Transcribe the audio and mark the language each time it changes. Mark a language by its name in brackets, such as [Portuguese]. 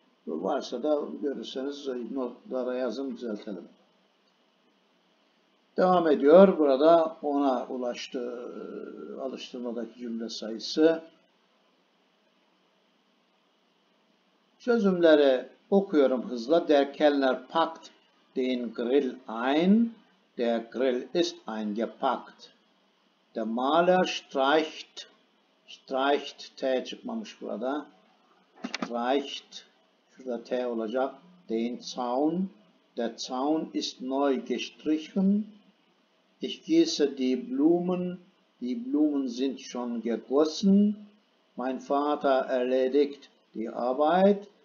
[Turkish] Varsa da görürseniz notlara yazın düzeltelim. Devam ediyor. Burada ona ulaştı alıştırmadaki cümle sayısı. Çözümleri okuyorum hızla. [German] Der Kellner packt den Grill ein. Der Grill ist eingepackt. Der Maler streicht T [Turkish] çıkmamış burada. Streicht şurada T olacak. [German] Den Zaun. Der Zaun ist neu gestrichen. Ich gieße die Blumen. Die Blumen sind schon gegossen. Mein Vater erledigt die Arbeit.